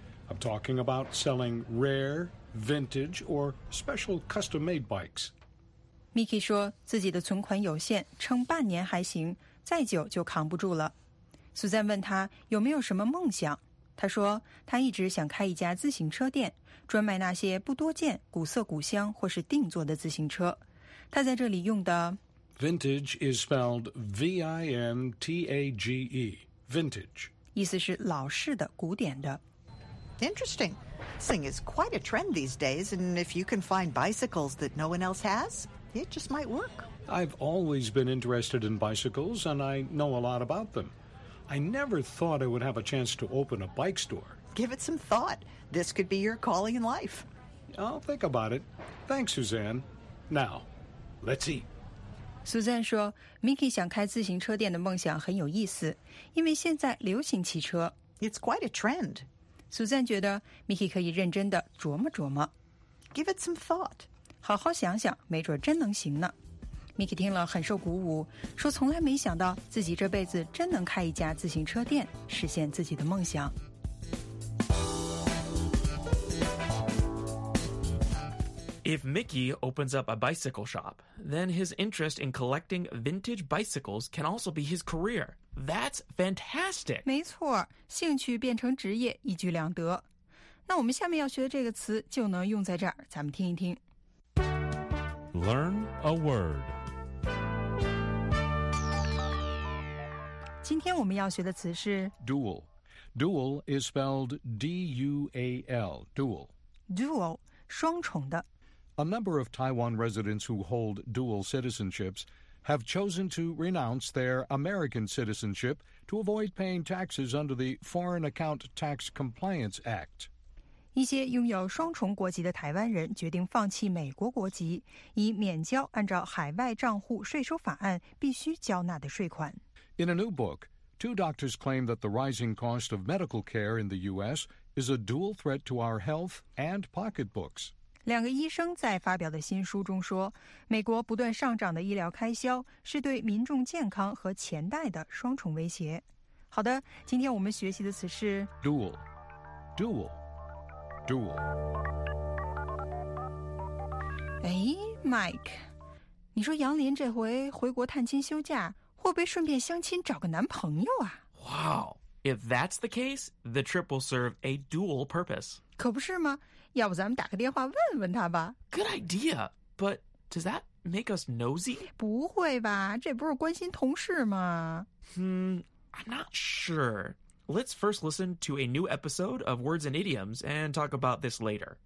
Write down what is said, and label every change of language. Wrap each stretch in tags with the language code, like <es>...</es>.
<en>I'm talking about selling rare, vintage, or special custom-made bikes.</en> <zh>Mickey 说自己的存款有限，撑半年还行，再久就扛不住了。 Suzanne 问他有没有什么梦想，他说他一直想开一家自行车店，专卖那些不多见、古色古香或是定做的自行车。他在这里用的</zh> <en>Vintage is spelled V-I-N-T-A-G-E, vintage.</en> <zh>意思是老式的、古典的。</zh> <en>Interesting. Thing is quite a trend these days, and if you can find bicycles that no one else has, it just might work. I've always been interested in bicycles, and I know a lot about them. I never thought I would have a chance to open a bike store. Give it some thought. This could be your calling in life. I'll think about it. Thanks, Suzanne. Now, let's eat.</en> <zh>Suzanne 说 ,Mickey 想开自行车店的梦想很有意思,因为现在流行汽车。</zh> <en>It's quite a trend.</en> <zh>Suzanne 觉得 ,Mickey 可以认真地琢磨琢磨。</zh> <en>Give it some thought.</en> <zh>好好想想,没准真能行呢。Mickey 听了很受鼓舞，说从来没想到自己这辈子真能开一家自行车店，实现自己的梦想。</zh> <en>If Mickey opens up a bicycle shop, then his interest in collecting vintage bicycles can also be his career. That's fantastic!</en> <zh>没错，兴趣变成职业，一举两得。那我们下面要学的这个词就能用在这儿，咱们听一听。</zh> <en>Learn a word.</en> <zh>今天我们要学的词是</zh> <en>Duel. Duel is spelled D-U-A-L. Duel.</en> <zh>Duel, 双重的。</zh> <en>A number of Taiwan residents who hold dual citizenships have chosen to renounce their American citizenship to avoid paying taxes under the Foreign Account Tax Compliance Act.</en> <zh>一些拥有双重国籍的台湾人决定放弃美国国籍，以免交按照海外账户税收法案必须交纳的税款。</zh> <en>In a new book, two doctors claim that the rising cost of medical care in the U.S. is a dual threat to our health and pocketbooks.</en> <zh>两个医生在发表的新书中说，美国不断上涨的医疗开销是对民众健康和钱袋的双重威胁。好的，今天我们学习的词是</zh> <en>Duel, duel, duel.</en> <zh>哎 ,Mike, 你说杨林这回回国探亲休假会不会顺便相亲找个男朋友啊</zh> <en>？Wow! If that's the case, the trip will serve a dual purpose.</en> <zh>可不是吗？要不咱们打个电话问问他吧。</zh> <en>Good idea. But does that make us nosy? 不会吧？这不是关心同事吗 I'm not sure. Let's first listen to a new episode of Words and Idioms and talk about this later.</en>